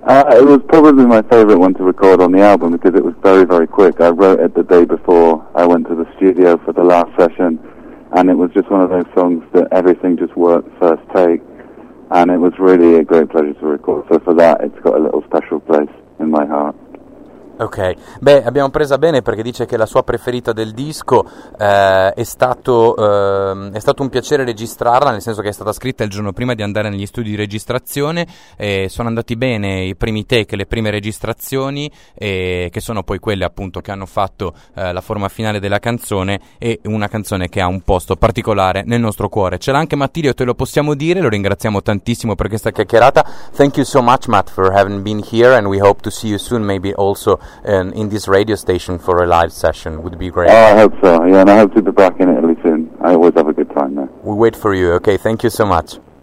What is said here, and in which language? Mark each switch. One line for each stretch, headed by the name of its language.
English: It was probably my favorite one to record on the album because it was very, very quick. I wrote it the day before I went to the studio for the last session, and it was just one of those songs that everything just worked first take, and it was really a great pleasure to record. So for that, it's got a little special place in my heart.
Italian: Ok, beh, abbiamo presa bene, perché dice che la sua preferita del disco è stato un piacere registrarla, nel senso che è stata scritta il giorno prima di andare negli studi di registrazione, e sono andati bene i primi take, le prime registrazioni, e che sono poi quelle appunto che hanno fatto la forma finale della canzone, e una canzone che ha un posto particolare nel nostro cuore. Ce l'ha anche Mattilio, te lo possiamo dire, lo ringraziamo tantissimo per questa chiacchierata.
English: Thank you so much, Matt, for having been here, and we hope to see you soon, maybe also and in this radio station for a live session would be great. Oh, I hope so. Yeah, and I hope to be back in Italy soon. I always have a good time there. We wait for you. Okay, thank you so much.